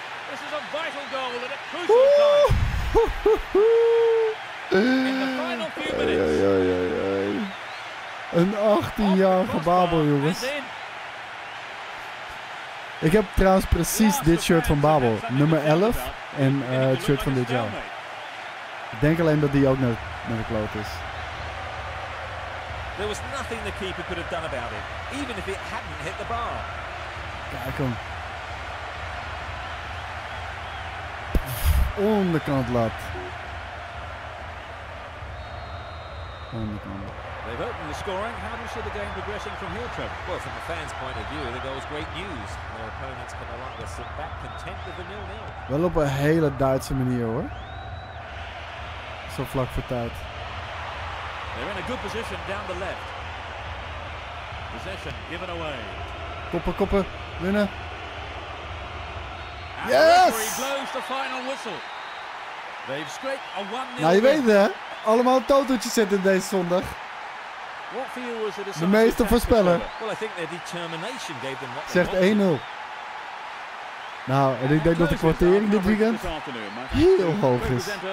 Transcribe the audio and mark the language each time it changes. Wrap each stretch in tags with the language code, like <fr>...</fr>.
<en>This is a vital goal at a crucial time. In the final few minutes.</en> <nl>Een 18-jarige Babel, jongens. Ik heb trouwens precies dit shirt van Babel. Nummer 11. En het shirt van dit jaar. Ik denk alleen dat die ook naar de kloot is.</nl> <en>There was nothing the keeper could have done about it. Even if it hadn't hit the bar.</en> <nl>Kijk hem. Onderkant lat.</nl> <en>They've opened the scoring. How do you see the game progressing from here, Trevor? Well, from the fans' point of view, the goal's great news. Their opponents can no longer sit back content with the 0-0.</en> <nl>Wel op een hele Duitse manier, hoor. Zo vlak voor tijd.</nl> <en>They're in a good position down the left. Possession given away.</en> <nl>Koppen, koppen. Winnen.</nl> <en>And yes! The referee blows the final whistle. They've scraped a 1-0.</en> <nl>Nou, je weet het, hè? Allemaal totootjes zitten deze zondag.</nl> <en>What for you was it</en> <nl>de meeste voorspeller.</nl> <en>Well, I think their determination gave them what they</en> <nl>zegt 1-0. Nou, en ik denk dat de kwartering dit weekend heel hoog is.</nl>